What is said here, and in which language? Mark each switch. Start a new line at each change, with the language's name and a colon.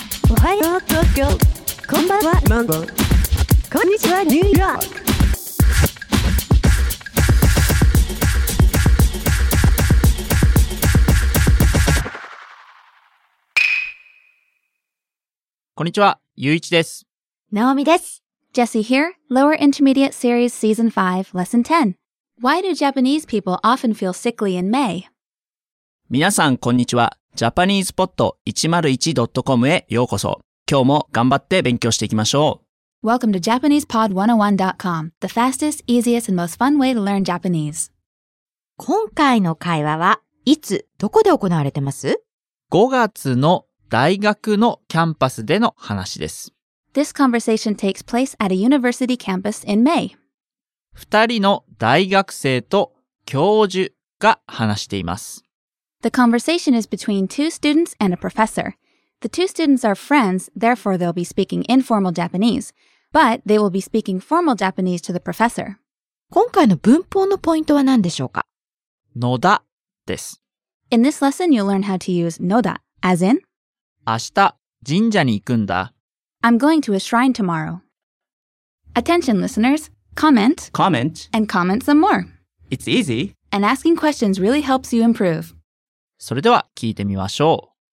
Japanese: おはよう東京、こんばんはマンボ、こんにちはニューヨーク。こんにちは、ゆういちです。ナオミです。
English: Jesse here, Lower Intermediate Series Season 5, Lesson 10. Why do Japanese people often feel sickly in May?
Japanese: 皆さん、こんにちは。 JapanesePod101.com へようこそ。今日も頑張って勉強していきましょう。
English: Welcome to JapanesePod101.com, the fastest, easiest, and most fun way to learn Japanese.
Japanese: 今回の会話はいつ、どこで行われてます？ 5月の大学のキャンパスでの話です。
English: This conversation takes place at a university campus in May.
Japanese: 二人の大学生と教授が話しています。
English: The conversation is between two students and a professor. The two students are friends, therefore they'll be speaking informal Japanese. But they will be speaking formal Japanese to the professor.
Japanese: 今回の文法のポイントは何でしょうか？のだです。
English: In this lesson, you'll learn how to use のだ, as in
Japanese: 明日、神社に行くんだ。
English: I'm going to a shrine tomorrow. Attention listeners, comment, comment, and comment some more. It's easy. And asking questions really helps you improve.
Japanese: それでは聞いてみましょう。